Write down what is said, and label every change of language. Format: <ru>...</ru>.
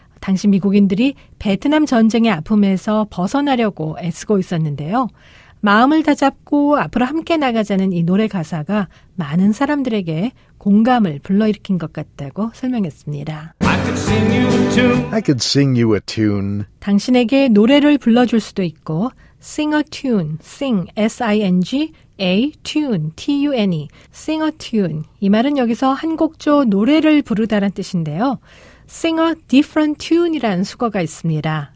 <ko>당시 미국인들이 베트남 전쟁의 아픔에서 벗어나려고 애쓰고 있었는데요. 마음을 다잡고 앞으로 함께 나가자는 이 노래 가사가 많은 사람들에게 공감을 불러일으킨 것 같다고 설명했습니다.</ko> <en>I could sing you a tune. I could sing you a tune.</en> <ko>당신에게 노래를 불러줄 수도 있고, sing a tune, sing, S-I-N-G, A, tune, T-U-N-E, sing a tune. 이 말은 여기서 한 곡조 노래를 부르다란 뜻인데요. sing a different tune이라는 수거가 있습니다.</ko>